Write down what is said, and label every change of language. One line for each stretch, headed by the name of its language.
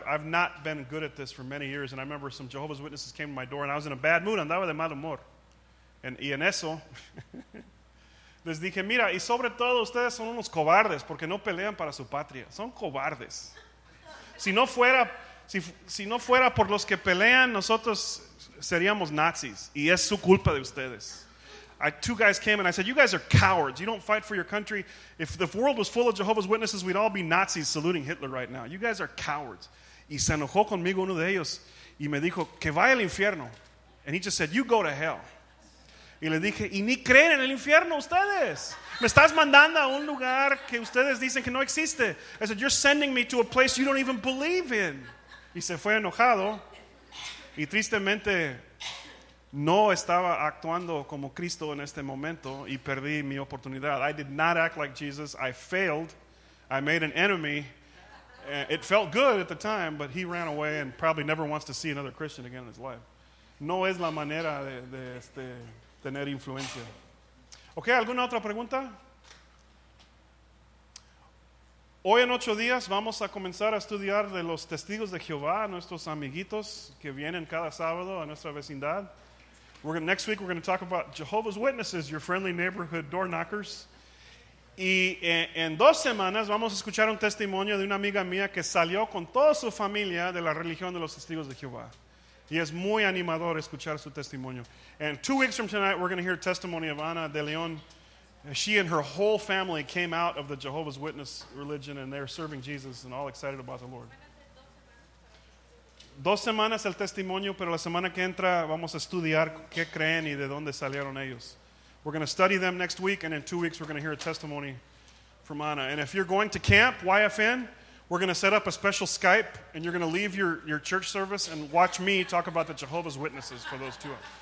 English: I've not been good at this for many years, and I remember some Jehovah's Witnesses came to my door, and I was in a bad mood,
Spanish: andaba de mal humor. Y en eso, les dije, mira, y sobre todo ustedes son unos cobardes porque no pelean para su patria. Son cobardes. Si no fuera por los que pelean, nosotros seríamos nazis. Y es su culpa de ustedes.
English: Two guys came and I said, you guys are cowards. You don't fight for your country. If the world was full of Jehovah's Witnesses, we'd all be Nazis saluting Hitler right now. You guys are cowards.
Spanish: Y se enojó conmigo uno de ellos y me dijo, que vaya al infierno.
English: And he just said, you go to hell.
Spanish: Y le dije, y ni creen en el infierno ustedes. Me estás mandando a un lugar que ustedes dicen que no existe.
English: I said, you're sending me to a place you don't even believe in.
Spanish: Y se fue enojado y tristemente no estaba actuando como Cristo en este momento y perdí mi oportunidad.
English: I did not act like Jesus. I failed. I made an enemy. It felt good at the time, but he ran away and probably never wants to see another Christian again in his life.
Spanish: No es la manera de tener influencia. Okay, ¿alguna otra pregunta? Hoy en 8 días vamos a comenzar a estudiar de los testigos de Jehová, nuestros amiguitos que vienen cada sábado a nuestra vecindad.
English: Next week we're going to talk about Jehovah's Witnesses, your friendly neighborhood door knockers.
Spanish: Y en 2 semanas vamos a escuchar un testimonio de una amiga mía que salió con toda su familia de la religión de los testigos de Jehová. Y es muy animador escuchar su testimonio.
English: And 2 weeks from tonight we're going to hear a testimony of Ana de León. She and her whole family came out of the Jehovah's Witness religion and they're serving Jesus and all excited about the Lord.
Spanish: 2 semanas el testimonio, pero la semana que entra vamos a estudiar qué creen y de dónde salieron ellos.
English: We're going to study them next week, and in 2 weeks we're going to hear a testimony from Ana. And if you're going to camp, YFN, we're going to set up a special Skype, and you're going to leave your church service and watch me talk about the Jehovah's Witnesses for those 2 hours.